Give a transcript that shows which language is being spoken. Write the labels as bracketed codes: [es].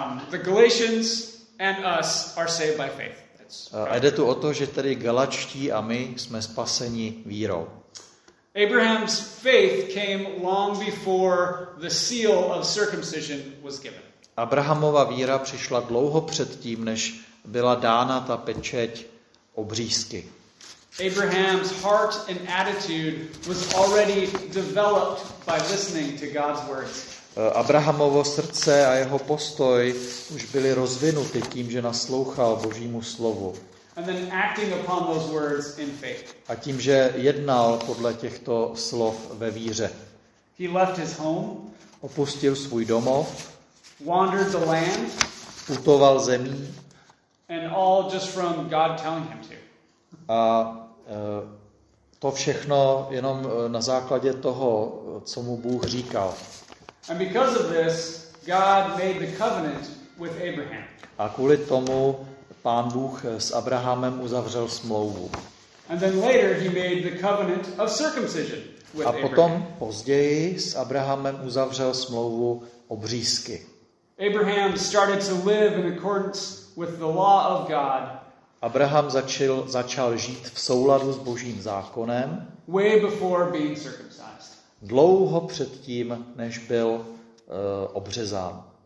[en] The Galatians and us are saved by faith. [cs] A jde tu o to, že tedy Galačtí a my jsme spaseni vírou. [en] Abraham's faith came long before the seal of circumcision was given. [cs] Abrahamova víra přišla dlouho před tím, než byla dána ta pečeť obřízky. [en] Abraham's heart and attitude was already developed by listening to God's words. [cs] Abrahamovo srdce a jeho postoj už byly rozvinuty tím, že naslouchal Božímu slovu. [en] And then acting upon those words in faith. [cs] A tím, že jednal podle těchto slov ve víře. [en] He left his home, [cs] opustil svůj domov, [en] wandered the land, [cs] putoval zemí, [en] and all just from God telling him to. [cs] A to všechno jenom na základě toho, co mu Bůh říkal. [en] And because of this, God made the covenant with Abraham. [cs] A kvůli tomu Pán Bůh s Abrahamem uzavřel smlouvu. [en] And then later he made the covenant of circumcision with Abraham. [cs] A potom později s Abrahamem uzavřel smlouvu obřízky. [en] Abraham started to live in accordance with the law of God. [cs] Abraham začal žít v souladu s Božím zákonem. [en] Way before being circumcised. [cs] Dlouho před tím, než byl obřezán.